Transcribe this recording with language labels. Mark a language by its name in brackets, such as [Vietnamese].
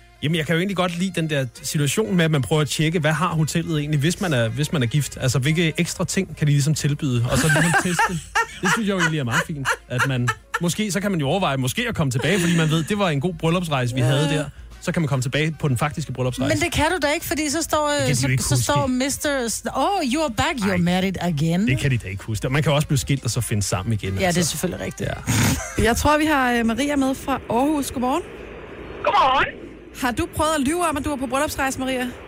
[Danish] Jamen, jeg kan jo egentlig godt lide den der situation med, at man prøver at tjekke, hvad har hotellet egentlig, hvis man er gift? Altså, hvilke ekstra ting kan de ligesom tilbyde? Og så lige teste. Det synes jeg jo egentlig er meget fint, at man... Måske så kan man jo overveje måske at komme tilbage, fordi man ved, det var en god bryllupsrejse, vi havde der. Så kan man komme tilbage på den faktiske bryllupsrejse. Men det kan du da ikke, fordi så står Mr. [English] Oh, you're back, you're married again. [Danish] Det kan de da ikke huske. Man kan også blive skilt og så finde sammen igen. Ja, altså. Det er selvfølgelig rigtigt. Ja. Jeg tror, vi har Maria med fra Aarhus. Godmorgen. Godmorgen. Har du prøvet at lyve om, at du var på bryllupsrejse, Maria?